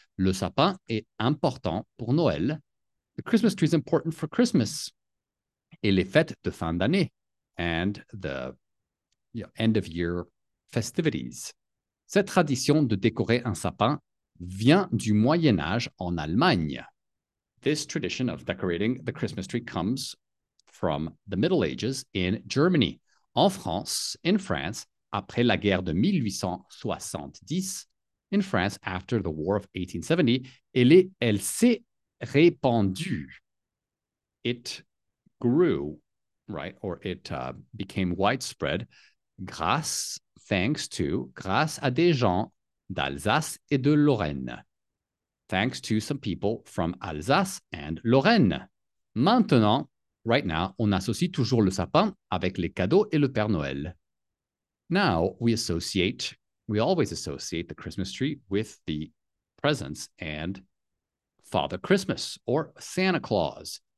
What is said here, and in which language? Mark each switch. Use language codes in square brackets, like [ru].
[fr] Le sapin est important pour Noël. [en] The Christmas tree is important for Christmas. [fr] Et les fêtes de fin d'année, [en] and the end of year festivities. [fr] Cette tradition de décorer un sapin vient du Moyen-Âge en Allemagne. [en] This tradition of decorating the Christmas tree comes from the Middle Ages in Germany. In France, [fr] après la guerre de 1870, [en] in France, after the war of 1870, [fr] elle s'est répandue. [en] It grew, right, or it became widespread [fr] grâce à des gens d'Alsace et de Lorraine. [en] Thanks to some people from Alsace and Lorraine. [fr] Maintenant, [en] right now, [fr] on associe toujours le sapin avec les cadeaux et le Père Noël. [en] Now, we always associate the Christmas tree with the presents and Father Christmas or Santa Claus.